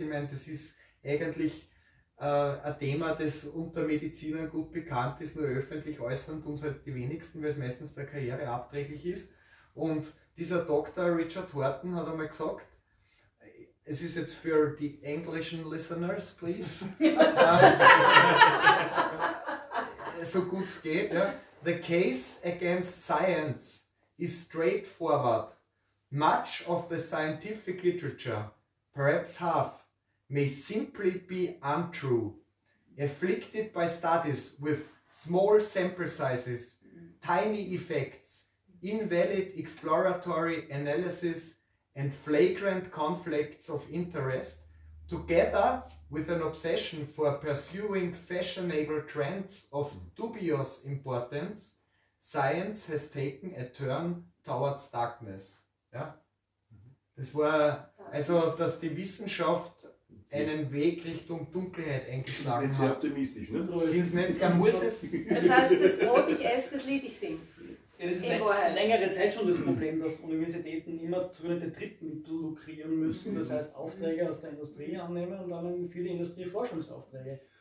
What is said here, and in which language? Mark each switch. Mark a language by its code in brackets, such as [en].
[de] Ich meine, das ist eigentlich ein Thema, das unter Medizinern gut bekannt ist, nur öffentlich äußern tun es halt die wenigsten, weil es meistens der Karriere abträglich ist. Und dieser Dr. Richard Horton hat einmal gesagt, es ist jetzt für die englischen Listeners, please, so gut es geht, ja. [en] The case against science is straightforward. Much of the scientific literature, perhaps half, may simply be untrue. Afflicted by studies with small sample sizes, tiny effects, invalid exploratory analysis, and flagrant conflicts of interest, together with an obsession for pursuing fashionable trends of dubious importance, Science has taken a turn towards darkness. [de] Ja? Das war also, dass die Wissenschaft einen Weg Richtung Dunkelheit eingeschlagen hat. Sehr optimistisch, ne? Er muss es. Das heißt, das Brot ich esse, das Lied ich singe. Ja, das ist längere Zeit schon das Problem, dass Universitäten immer sogenannte Drittmittel lukrieren müssen, das heißt Aufträge aus der Industrie annehmen und dann für die Industrie Forschungsaufträge.